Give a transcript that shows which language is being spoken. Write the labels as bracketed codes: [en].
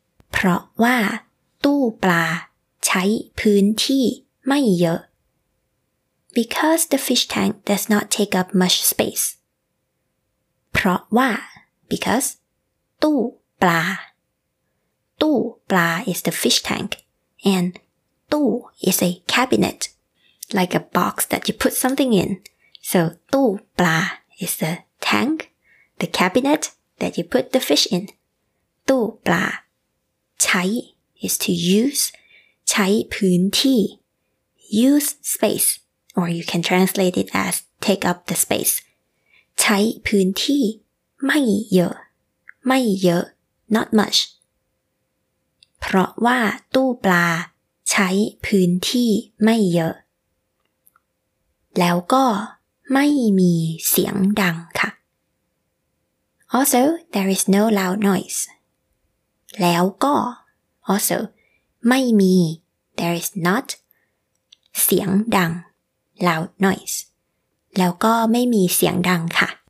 [th] เพราะว่าตู้ปลาใช้พื้นที่ไม่เยอะ [en] because the fish tank does not take up much space [th] เพราะว่า [en] because ตู้ปลาตู้ปลา is the fish tank andตู้ is a cabinet, like a box that you put something in. So, ตู้ปลา is the tank, the cabinet that you put the fish in. ตู้ปลาใช้ is to use, [th] ใช้พื้นที่ [en] use space, or you can translate it as take up the space. [th] ใช้พื้นที่ไม่เยอะไม่เยอะ [en] not much. [th] เพราะว่าตู้ปลาใช้พื้นที่ไม่เยอะแล้วก็ไม่มีเสียงดังค่ะ [en] Also there is no loud noise [th] แล้วก็ Also ไม่มี [en] there is not [th] เสียงดัง [en] loud noise [th] แล้วก็ไม่มีเสียงดังค่ะ